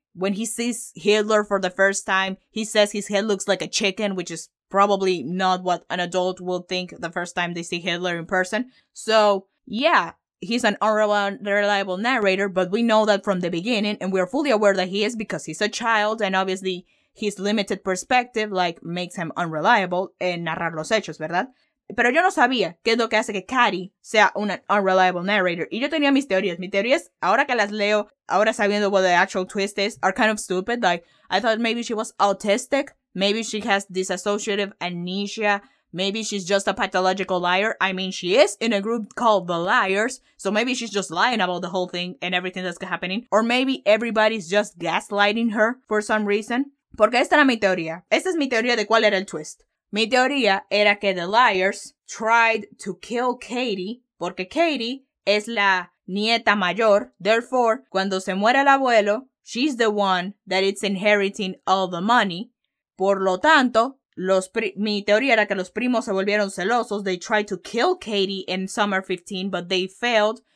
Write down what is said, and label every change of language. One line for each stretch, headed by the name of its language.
English: When he sees Hitler for the first time, he says his head looks like a chicken, which is probably not what an adult will think the first time they see Hitler in person. So, yeah, he's an unreliable narrator, but we know that from the beginning, and we're fully aware that he is because he's a child, and obviously his limited perspective, like, makes him unreliable
Spanish: en narrar los hechos, ¿verdad? Pero yo no sabía qué es lo que hace que Cady sea un unreliable narrator. Y yo tenía mis teorías. Mis teorías, ahora que las leo, ahora sabiendo
English: what the actual twist is, are kind of stupid. Like, I thought maybe she was autistic. Maybe she has dissociative amnesia. Maybe she's just a pathological liar. I mean, she is in a group called The Liars. So maybe she's just lying about the whole thing and everything that's happening. Or maybe everybody's just gaslighting her for some reason.
Spanish: Porque esta era mi teoría. Esta es mi teoría de cuál era el twist. Mi teoría era que The Liars
English: tried to kill
Spanish: Cady porque Cady es la nieta mayor.
English: Therefore,
Spanish: cuando se muere el abuelo,
English: she's the one that is inheriting all the money.
Spanish: Por lo tanto, mi teoría era que los primos se volvieron celosos.
English: They tried to kill Cady in summer 15, but they failed.